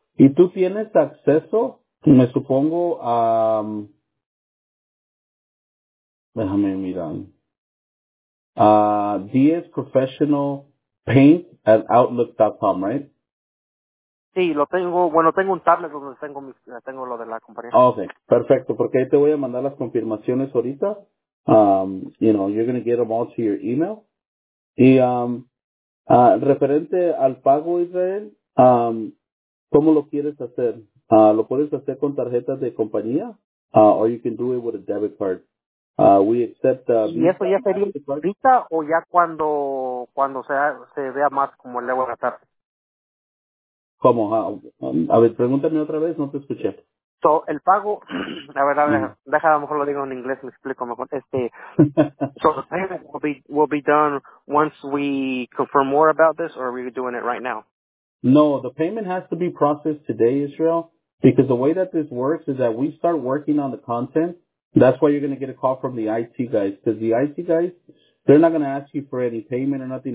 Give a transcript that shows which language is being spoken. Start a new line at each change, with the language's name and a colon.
Spanish: ¿Y tú tienes acceso? Me supongo, déjame mirar, DS Professional Paint at Outlook.com, right? Sí, lo tengo, bueno, tengo un tablet donde tengo lo de la compañía. Okay, perfecto, porque ahí te voy a mandar las confirmaciones ahorita.
English: You know, you're going to get them all to your email.
Spanish: Y referente al pago, Israel, ¿cómo lo quieres hacer? Lo puedes hacer con tarjetas de compañía,
English: or you can do it with a debit card. We accept
Spanish: Visa. ¿Y eso ya sería ahorita o ya cuando se vea más como el agua de la tarde? ¿Cómo? A ver, pregúntame otra vez, no te escuché. So, el pago, la verdad, deja, a lo mejor lo digo en inglés, me explico mejor.
English: So, the payment will be done once we confirm more about this, or are we doing it right now? No, the payment has to be processed today, Israel, because the way that this works is that we start working on the content. That's why you're going to get a call from the IT guys, because the IT guys, they're not going to ask you for any payment or nothing.